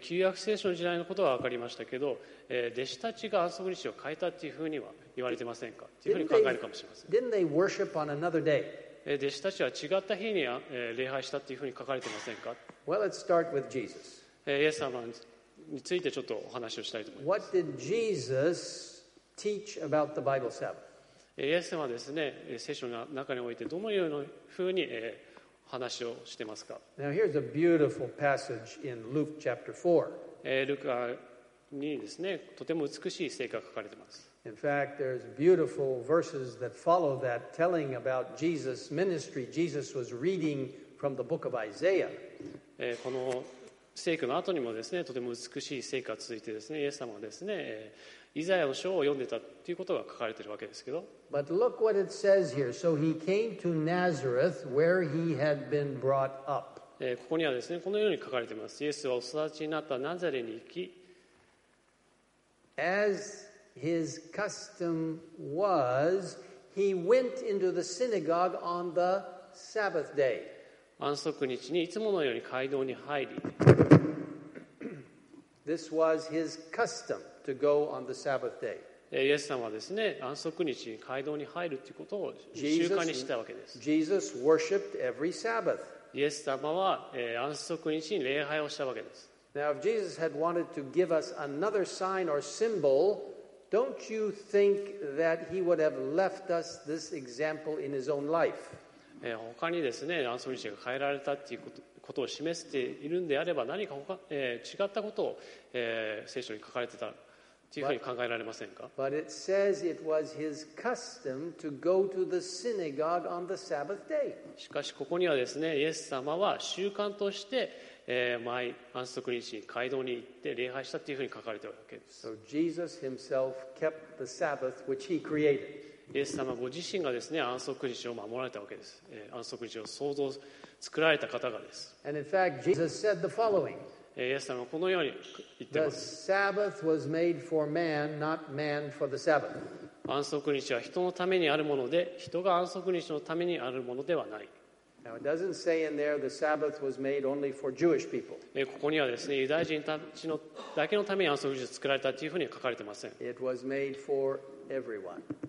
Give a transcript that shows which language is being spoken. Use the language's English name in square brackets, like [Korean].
[Japanese] 旧約聖書の時代のことは分かりましたけど、弟子たちが安息日を変えたというふうには言われてませんかというふうに考えるかもしれません。 [English] Didn't they worship on another day? [Japanese] 弟子たちは違った日に礼拝したというふうに書かれてませんか。 [English] Well, let's start with Jesus. [Japanese] イエス様についてちょっとお話をしたいと思います。 [English] What did Jesus teach about the Bible Sabbath? [Japanese] イエス様はですね、聖書の中においてどのようなふうに話をしてますか。 [English] Now here's a beautiful passage in Luke chapter 4. [Japanese] ルカにですね、とても美しい聖句が書かれてます。 [English] In fact, there's beautiful verses that follow that telling about Jesus' ministry. Jesus was reading from the book of Isaiah. [Japanese] この聖句の後にもですね、とても美しい聖句が続いてですね、イエス様はですね、イザヤの書を読んでたということが書かれているわけですけど。 [English] But look what it says here. So he came to Nazareth where he had been brought up. [Japanese] ここにはですね、このように書かれています。イエスはお育ちになったナザレに行き。 [English] As his custom was, he went into the synagogue on the Sabbath day. [Japanese] 安息日にいつものように会堂に入り。 [English] This was his custom. To go on the Sabbath day. [Japanese] イエス様はですね、安息日に会堂に入るということを習慣にしたわけです。 [English] Jesus worshipped every Sabbath. [Japanese] イエス様は安息日に礼拝をしたわけです。 [English] Now, if Jesus had wanted to give us another sign or symbol, don't you think that he would have left us this example in his own life? [Japanese] 他にですね、安息日が変えられたということ。ことを示しているんであれば何か他、違ったことを、聖書に書かれてたというふうに考えられませんか。 [English] But it says it was his custom to go to the synagogue on the Sabbath day. [Japanese] しかしここにはですね、イエス様は習慣として、毎安息日に会堂に行って礼拝したというふうに書かれているわけです。 [English] So Jesus himself kept the Sabbath which he created. [Japanese] イエス様ご自身がですね、安息日を守られたわけです。安息日を創造作られた方がです。 [English] And in fact, Jesus said the following. [Japanese] イエス様はこのように言っています。 [English] The Sabbath was made for man, not man for the Sabbath. [Japanese] 安息日は人のためにあるもので、人が安息日のためにあるものではない。 [English] Now it doesn't say in there the Sabbath was made only for Jewish people. [Japanese] ここにはですね、ユダヤ人たちのだけのために安息日を作られたというふうには書かれていません。 [English] It was made for everyone.